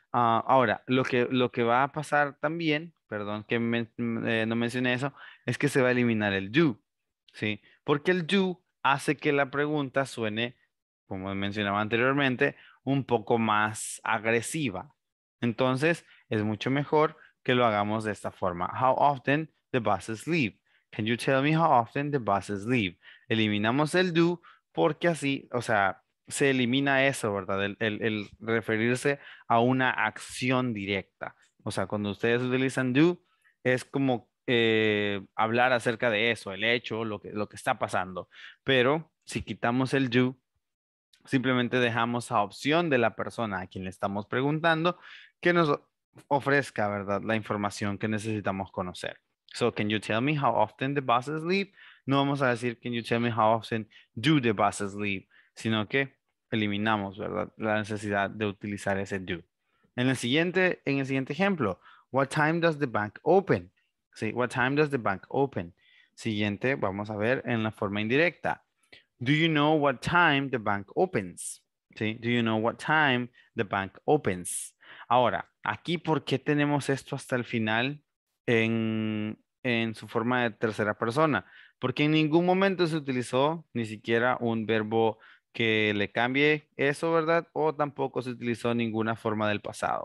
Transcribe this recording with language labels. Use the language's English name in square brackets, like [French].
[Spanish] Ahora, lo que va a pasar también, perdón que no mencioné eso, es que se va a eliminar el do, ¿sí? Porque el do hace que la pregunta suene, como mencionaba anteriormente, un poco más agresiva. Entonces, es mucho mejor que lo hagamos de esta forma. [English] How often the buses leave? Can you tell me how often the buses leave? [Spanish] Eliminamos el do porque así, o sea, se elimina eso, ¿verdad? El referirse a una acción directa. O sea, cuando ustedes utilizan do, es como hablar acerca de eso, el hecho, lo que está pasando. Pero si quitamos el do, simplemente dejamos a opción de la persona a quien le estamos preguntando que nos ofrezca, ¿verdad?, la información que necesitamos conocer. [English] So, can you tell me how often the buses leave? [Spanish] No vamos a decir, [English] can you tell me how often do the buses leave? [Spanish] Sino que eliminamos, ¿verdad?, la necesidad de utilizar ese do. En el siguiente ejemplo, [English] what time does the bank open? ¿Sí? What time does the bank open? [Spanish] Siguiente, vamos a ver en la forma indirecta. [English] Do you know what time the bank opens? ¿Sí? Do you know what time the bank opens? [Spanish] Ahora, aquí, ¿por qué tenemos esto hasta el final en su forma de tercera persona? Porque en ningún momento se utilizó ni siquiera un verbo que le cambie eso, ¿verdad? O tampoco se utilizó ninguna forma del pasado.